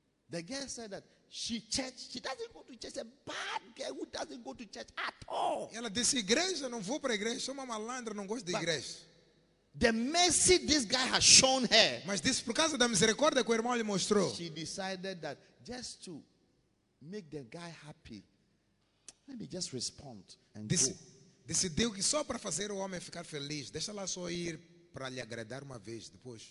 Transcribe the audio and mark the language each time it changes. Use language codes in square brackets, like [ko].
[en] The girl said that she doesn't go to church. A bad girl who doesn't go to church at all. [pt] Ela disse, igreja, não vou para a igreja. Sou uma malandra, não gosto de igreja. [en] The mercy this guy has shown her. [pt] Mas disse, por causa da misericórdia que o irmão lhe mostrou. [en] She decided that just to make the guy happy, let me just respond and [pt] disse, [en] go. [pt] Decidiu que só para fazer o homem ficar feliz, deixa lá só ir para lhe agradar uma vez depois.